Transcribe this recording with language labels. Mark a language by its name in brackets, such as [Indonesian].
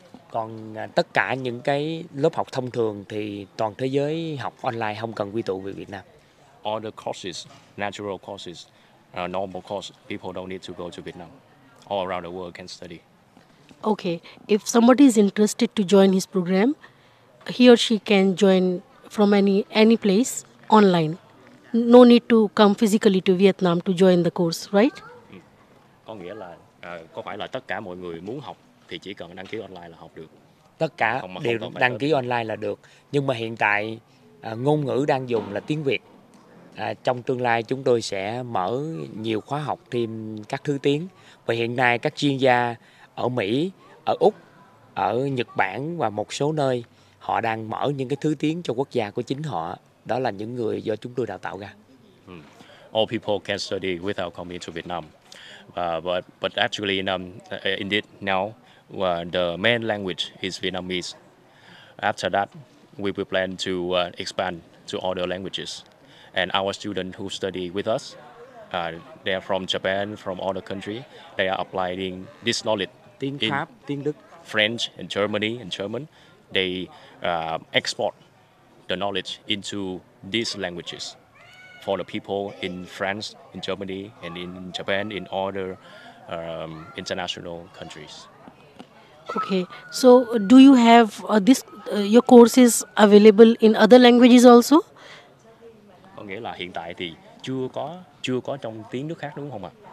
[Vietnamese] Còn tất cả những cái lớp học thông thường thì toàn thế giới học online, không cần quy tụ về Việt Nam. [English] All the courses, natural courses, normal course, people don't need to go to Vietnam. All around the world can study. Okay, if somebody is interested to join his program, he or she can join from any place online. No need to come physically to Vietnam to join the course, right? [Vietnamese] Có nghĩa là có phải là tất cả mọi người muốn học thì chỉ cần đăng ký online là học được. Tất cả đều đăng ký online là được. Nhưng mà hiện tại ngôn ngữ đang dùng là tiếng Việt. Trong tương lai chúng tôi sẽ mở nhiều khóa học thêm các thứ tiếng. Và hiện nay các chuyên gia ở Mỹ, ở Úc, ở Nhật Bản và một số nơi, họ đang mở những cái thứ tiếng cho quốc gia của chính họ. Đó là những người do chúng tôi đào tạo ra. [English] All people can study without coming to Vietnam. But actually, indeed, now the main language is Vietnamese. After that, we will plan to expand to other languages. And our students who study with us, they are from Japan, from other country. They are applying this knowledge. [Vietnamese] Tiếng Pháp, tiếng Đức. [English] French and Germany and German. They export the knowledge into these languages for the people in France, in Germany, and in Japan, in other international countries. Okay. So do you have your courses available in other languages also? [Vietnamese] Có nghĩa là hiện tại thì chưa có trong tiếng nước khác đúng không ạ?